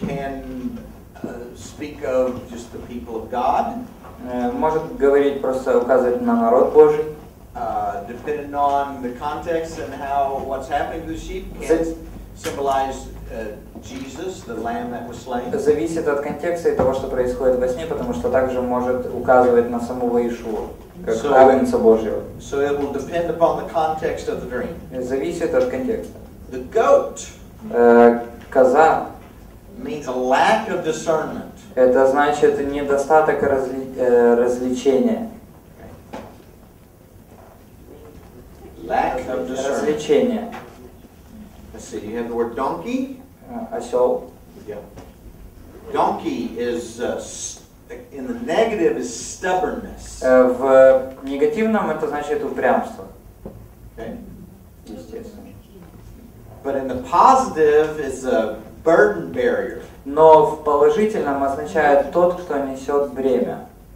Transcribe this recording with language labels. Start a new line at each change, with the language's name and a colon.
English: Can speak of just the people of God.
Russian: Может говорить просто указывать на народ Божий.
English: Depending on the context and how what's happening to the sheep can symbolize Jesus, the lamb that was slain.
Russian: Зависит от контекста и того, что происходит во сне, потому что также может указывать на самого Иешуа.
English: So it will depend upon the context of the dream.
Russian: Зависит от контекста.
English: The goat.
Russian: Коза.
English: Means a lack of discernment.
Russian: Это значит недостаток развлечения.
English: Lack of discernment.
Russian: Развлечения.
English: Let's see. You have the word donkey.
Russian: Осел.
English: Yeah. Donkey is. In the negative is stubbornness.
Russian: В негативном это значит упрямство.
English: Okay.
Russian: Естественно.
English: But in the positive is a burden barrier.
Russian: Но в положительном означает тот, кто несет бремя.